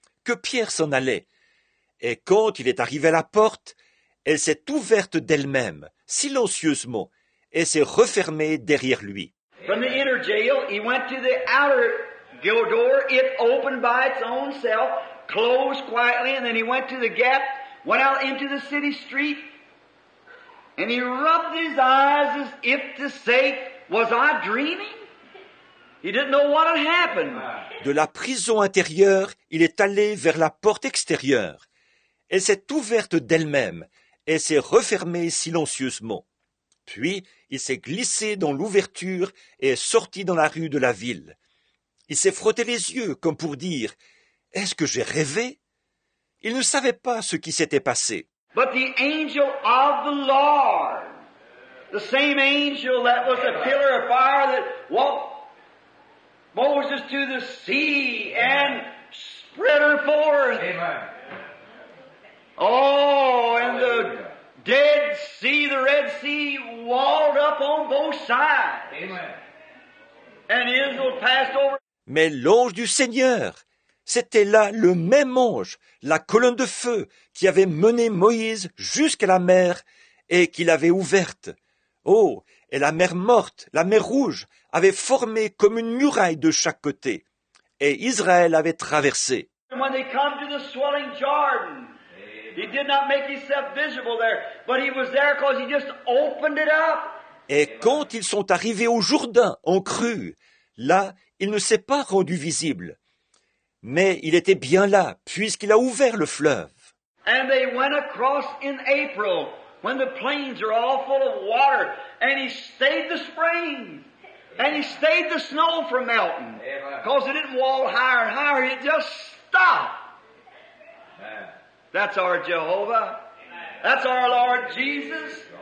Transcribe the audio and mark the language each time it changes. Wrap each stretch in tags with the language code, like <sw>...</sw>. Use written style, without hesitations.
<fr>Que Pierre s'en allait. Et quand il est arrivé à la porte, elle s'est ouverte d'elle-même, silencieusement, et s'est refermée derrière lui.</fr> <en>From the inner jail, he went to the outer door, it opened by its own self, closed quietly, and then he went to the gap, went out into the city street, and he rubbed his eyes as if to say, was I dreaming? He didn't know what had happened.</en> <fr>De la prison intérieure, il est allé vers la porte extérieure. Elle s'est ouverte d'elle-même et s'est refermée silencieusement. Puis, il s'est glissé dans l'ouverture et est sorti dans la rue de la ville. Il s'est frotté les yeux comme pour dire, « Est-ce que j'ai rêvé ?» Il ne savait pas ce qui s'était passé.</fr> <en>But the angel of the Lord, the same angel that was a pillar of fire that walked Moses to the sea and spread her forth. Oh, and the Dead Sea, the Red Sea, walled up on both sides. And Israel passed over.</en> <fr>Mais l'ange du Seigneur, c'était là le même ange, la colonne de feu qui avait mené Moïse jusqu'à la mer et qui l'avait ouverte. Oh, et la mer morte, la mer rouge, avait formé comme une muraille de chaque côté. Et Israël avait traversé.</fr> <en>When they come to the swelling Jordan, he did not make himself visible there, but he was there because he just opened it up.</en> <fr>Et quand ils sont arrivés au Jourdain en crue, là, il ne s'est pas rendu visible. Mais il était bien là, puisqu'il a ouvert le fleuve.</fr> <en>And they went across in April. When the plains are all full of water, and he stayed the spring, and he stayed the snow from melting, because it didn't wall higher and higher, it just stopped. That's our Jehovah. That's our Lord Jesus.</en>